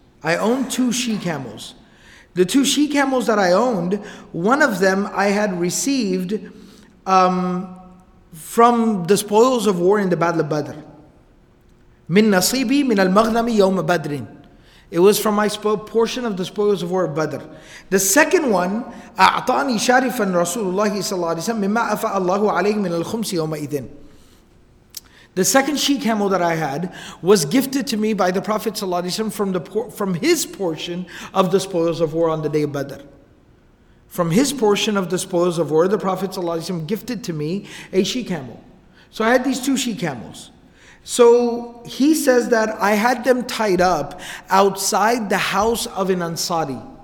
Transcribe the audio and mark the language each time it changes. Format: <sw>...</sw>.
<en>I owned two she-camels. The two she-camels that I owned, one of them I had received from the spoils of war in the Battle of Badr.</en> <ar>مِن نَصِيبِي مِن الْمَغْنَمِ يَوْمَ بَدْرٍ.</ar> <en>It was from my portion of the spoils of war of Badr. The second one,</en> <ar>أَعْطَانِي شَارِفًا رَسُولُ اللَّهِ صَلَّى اللَّهِ عَلَيْهِ وَسَلَّمَ مِمَّا أَفَأَ اللَّهُ عَلَيْهِ مِنَ الْخُمْسِ يَوْمَئِذٍ.</ar> <en>The second she-camel that I had was gifted to me by the Prophet ﷺ from his portion of the spoils of war on the day of Badr. From his portion of the spoils of war, the Prophet ﷺ gifted to me a she-camel. So I had these two she-camels. So he says that I had them tied up outside the house of an Ansari.</en>